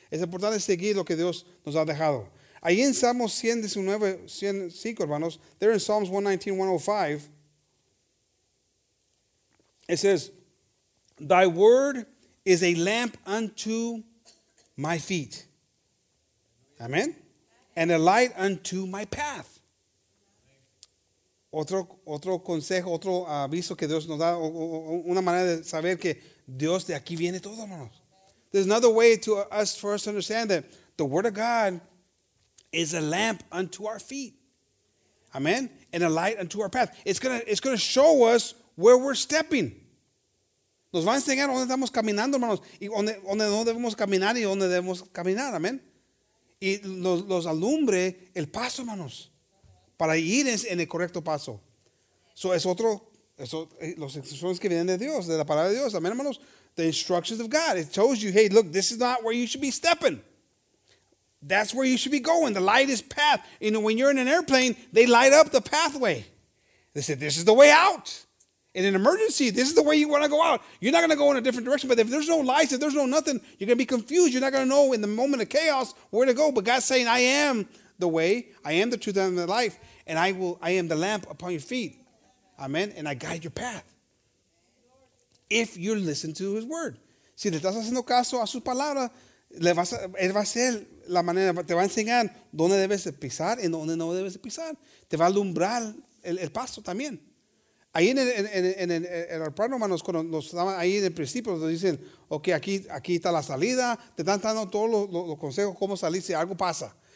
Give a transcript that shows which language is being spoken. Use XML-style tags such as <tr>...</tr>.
<es>Es importante seguir lo que Dios nos ha dejado. Ahí en Salmos 119, 105, hermanos,</es> <en>there in Psalms 119, 105, it says, Thy word is a lamp unto my feet, amen? And a light unto my path.</en> <es>Otro consejo, otro aviso que Dios nos da, una manera de saber que Dios de aquí viene todo, hermanos.</es> <en>There's another way for us to understand that the Word of God is a lamp unto our feet. Amen? And a light unto our path. It's gonna show us where we're stepping.</en> <es>Nos va a enseñar dónde estamos caminando, hermanos, y dónde no debemos caminar y dónde debemos caminar, amen? Y los alumbre el paso, hermanos. Para ir en el correcto paso. So es otro, las instrucciones que vienen de Dios, de la palabra de Dios. Amén, hermanos.</es> <en>The instructions of God. It tells you, hey, look, this is not where you should be stepping. That's where you should be going. The light is path. You know, when you're in an airplane, they light up the pathway. They say, this is the way out. In an emergency, this is the way you want to go out. You're not going to go in a different direction. But if there's no lights, if there's no nothing, you're going to be confused. You're not going to know in the moment of chaos where to go. But God's saying, I am the way, I am the truth and the life, and I am the lamp upon your feet. Amen. And I guide your path. If you listen to his word.</en> <es>Si le estás haciendo caso a su palabra, él va a ser la manera, te va a enseñar dónde debes pisar y dónde no debes pisar. Te va a alumbrar el paso también. Ahí en el aeropuerto, hermanos, cuando nos estaban ahí en el principio, nos dicen, ok, aquí está la salida, te están dando todos los consejos cómo salir si algo pasa.</es>